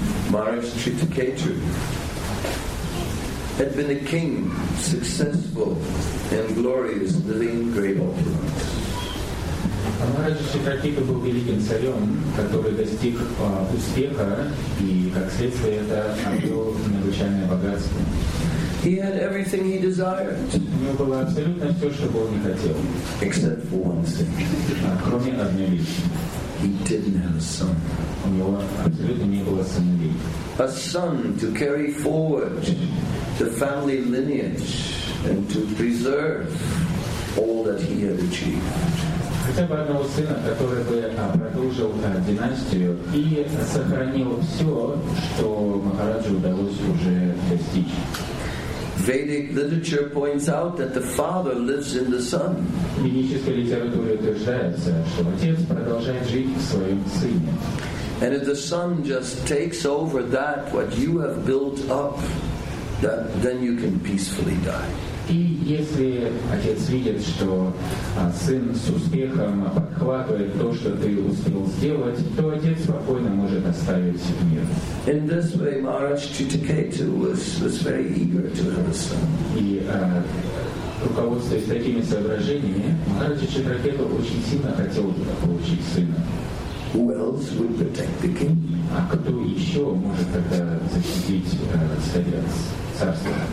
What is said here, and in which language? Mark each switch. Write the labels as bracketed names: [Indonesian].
[English] Maharaj Chitra Ketu had been a king, successful and glorious, living in great opulence. [Russian] Maharaj Chitra Ketu был великим царем, который достиг успеха и, как следствие, это обрел необычайное богатство. [English] He had everything he desired. [Russian] У него было абсолютно все, что бы он не хотел. [English] Except for one thing. [Russian] Кроме одной вещи. [English] He didn't have a son. [Russian] У него абсолютно не было сыновей. [English] A son to carry forward the family lineage and to preserve all that he had achieved. [Russian] хотя бы одного сына, который бы продолжил династию и сохранил все, что Махараджу удалось уже достичь. [English] Vedic literature points out that the father lives in the son. [Russian] Ведическая литература утверждает, что отец продолжает жить в своем сыне. [English] And if the son just takes over that what you have built up, that, then you can peacefully die. [Russian] И если отец видит, что сын с успехом подхватывает то, что ты успел сделать, то отец спокойно может оставить мир. [English] In this way, Maharaj Chittaketu was very eager to have a son. [Russian] И руководствуясь такими соображениями, Maharaj Chittaketu очень сильно хотел получить сына. [English] Who else would protect the king? [Russian] А кто еще может тогда защитить царя, царство?